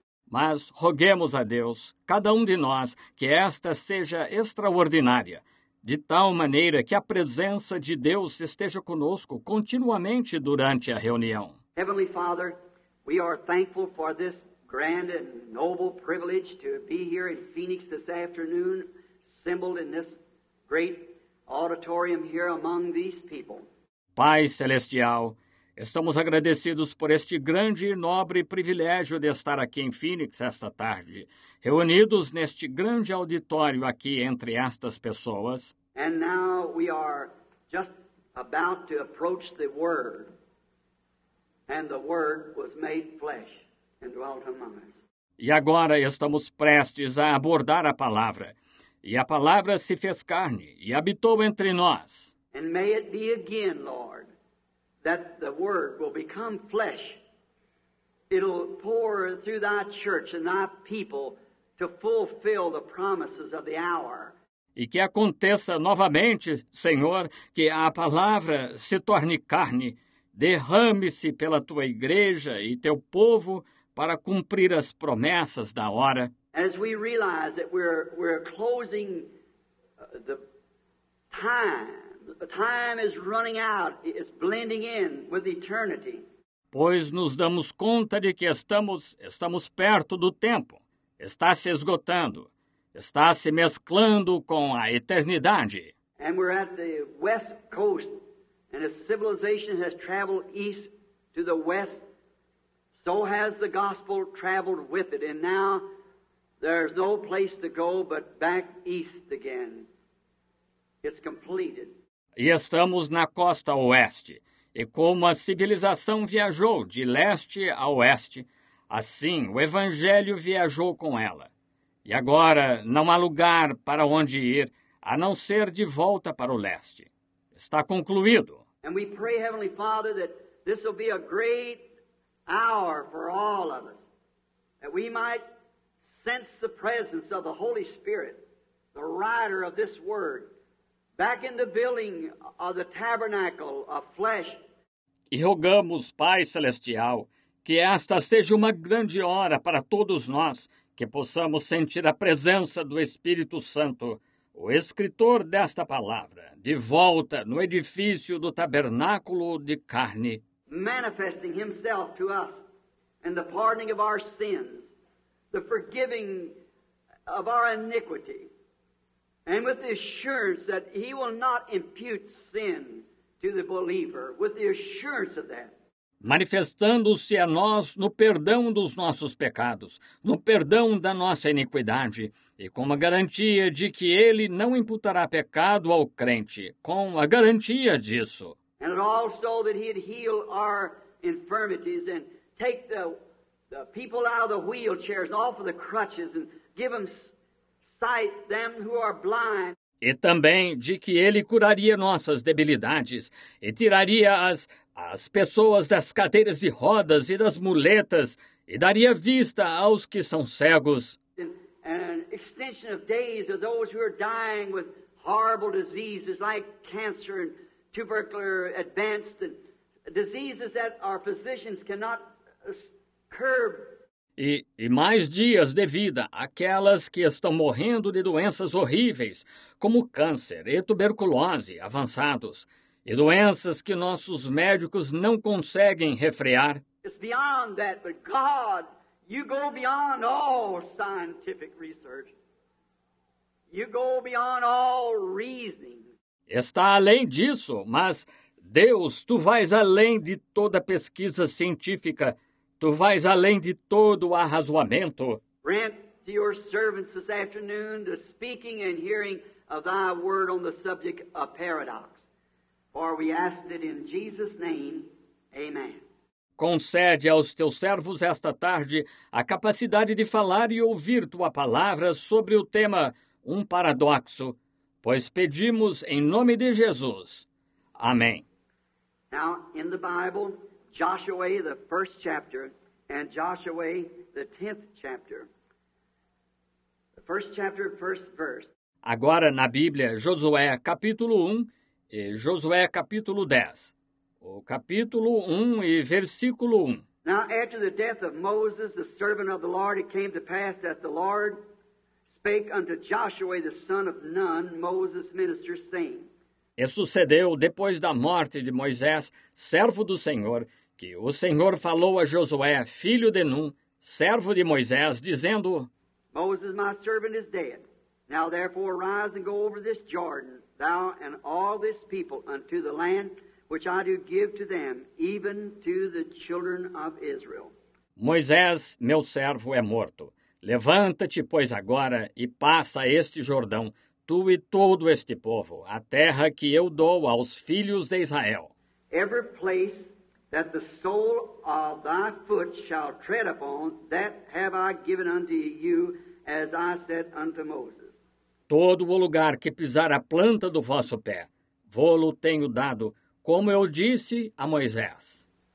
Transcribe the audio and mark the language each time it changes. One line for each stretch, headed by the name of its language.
Portuguese: Mas roguemos a Deus, cada um de nós, que esta seja extraordinária, de tal maneira que a presença de Deus esteja conosco continuamente durante a reunião.
English: Heavenly Father, we are thankful for this grand and noble privilege to be here in Phoenix this afternoon, assembled in this great auditorium here among these people.
Portuguese: Pai Celestial, estamos agradecidos por este grande e nobre privilégio de estar aqui em Phoenix esta tarde, reunidos neste grande auditório aqui entre estas pessoas.
English: And now we are just about to approach the Word, and the Word was made flesh and dwelt among us.
Portuguese: E agora estamos prestes a abordar a Palavra, e a Palavra se fez carne e habitou entre nós.
English: And may it be again, Lord, that the Word will become flesh it'll pour through thy church and thy people to fulfill the promises of the hour.
Portuguese: E que aconteça novamente, Senhor, que a palavra se torne carne, derrame-se pela tua igreja e teu povo para cumprir as promessas da hora.
English: As we realize that we're closing the time. Time is running out. It's blending in with eternity.
Portuguese: Pois nos damos conta de que estamos perto do tempo. Está se esgotando. Está se mesclando com a eternidade.
English: And we're at the west coast, and as civilization has traveled east to the west, so has the gospel traveled with it. And now there's no place to go but back east again. It's completed.
Portuguese: E estamos na costa oeste. E como a civilização viajou de leste a oeste, assim o evangelho viajou com ela. E agora não há lugar para onde ir, a não ser de volta para o leste. Está concluído.
English: And we pray, Heavenly Father, that this will be a great hour for all of us, that we might sense the presence of the Holy Spirit, the writer of this word, back in the building of the tabernacle of flesh.
Portuguese: E rogamos, Pai Celestial, que esta seja uma grande hora para todos nós, que possamos sentir a presença do Espírito Santo, o escritor desta palavra, de volta no edifício do tabernáculo de carne.
English: Manifesting himself to us in the pardoning of our sins, the forgiving of our iniquity, and with the assurance that he will not impute sin to the believer, with the assurance of that.
Portuguese: Manifestando-se a nós no perdão dos nossos pecados, no perdão da nossa iniquidade, e com a garantia de que ele não imputará pecado ao crente, com a garantia disso.
English: And also that he'd heal our infirmities and take the people out of the wheelchairs and off of the crutches and give them sight, them who are blind.
Portuguese: E também de que ele curaria nossas debilidades e tiraria as pessoas das cadeiras de rodas e das muletas e daria vista aos que são cegos.
English: An extension of days of those who are dying with horrible diseases like cancer and tubercular advanced and diseases that our physicians cannot curb.
Portuguese: E mais dias de vida àquelas que estão morrendo de doenças horríveis, como câncer e tuberculose avançados, e doenças que nossos médicos não conseguem refrear.
English: It's beyond that, but God, you go beyond all scientific research. You go beyond all reasoning.
Portuguese: Está além disso, mas Deus, tu vais além de toda pesquisa científica. Tu vais além de todo o arrazoamento.
English: Grant to your servants this afternoon the speaking and hearing of thy word on the subject of paradox. For we ask it in Jesus' name. Amen.
Portuguese: Concede aos teus servos esta tarde a capacidade de falar e ouvir tua palavra sobre o tema um paradoxo, pois pedimos em nome de Jesus. Amém.
English: Now, in the Bible, Joshua, the first chapter, and Joshua, the tenth chapter. The first chapter, first verse.
Portuguese: Agora, na Bíblia, Josué, capítulo 1, e Josué, capítulo 10. O capítulo 1 e versículo 1.
English: Now, after the death of Moses, the servant of the Lord, it came to pass that the Lord spake unto Joshua, the son of Nun, Moses' minister, saying.
Portuguese: E sucedeu, depois da morte de Moisés, servo do Senhor, que o Senhor falou a Josué, filho de Nun, servo de Moisés, dizendo.
English: Moses, my servant, is dead. Now, therefore, rise and go over this Jordan, thou and all this people, unto the land which I do give to them, even to the children of Israel.
Portuguese: Moisés, meu servo, é morto. Levanta-te, pois, agora, e passa este Jordão, tu e todo este povo, a terra que eu dou aos filhos de Israel.
English: Every place that the sole of thy foot shall tread upon, that have I given unto you, as I said unto Moses.
Portuguese: Todo o lugar que pisar a planta do vosso pé, vou-lo tenho dado, como eu disse a Moisés.